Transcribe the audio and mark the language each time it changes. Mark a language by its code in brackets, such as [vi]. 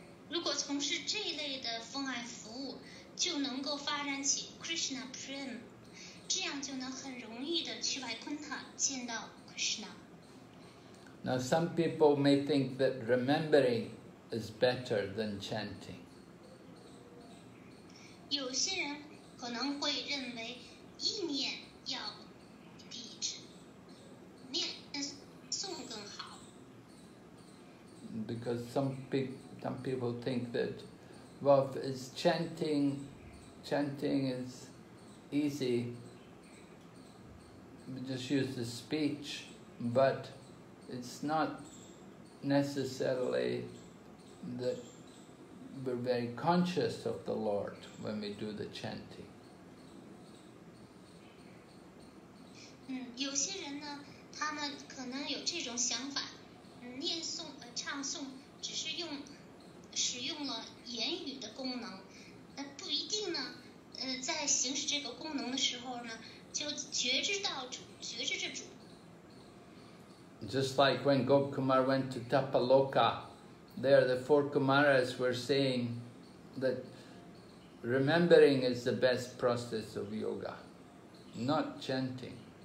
[zh] 如果从事这一类的奉爱服务，就能够发展起 Krishna Prem， 这样就能很容易的去 Vaikuntha 见到 Krishna. [en] Now some people may think that remembering is better than chanting. [zh] 有些人可能会认为意念要抵制念诵更好。 [en] Because some people think that, well, it's chanting is easy. We just use the speech, but it's not necessarily that. We're very conscious of the Lord when we do the chanting. [zh] 有些人呢，他们可能有这种想法，念诵、唱诵只是使用了言语的功能，那不一定呢。在行使这个功能的时候呢，就觉知着主。 [en] Just like when Gop Kumar went to Tapaloka. There, the four Kumaras were saying that remembering is the best process of yoga, not chanting.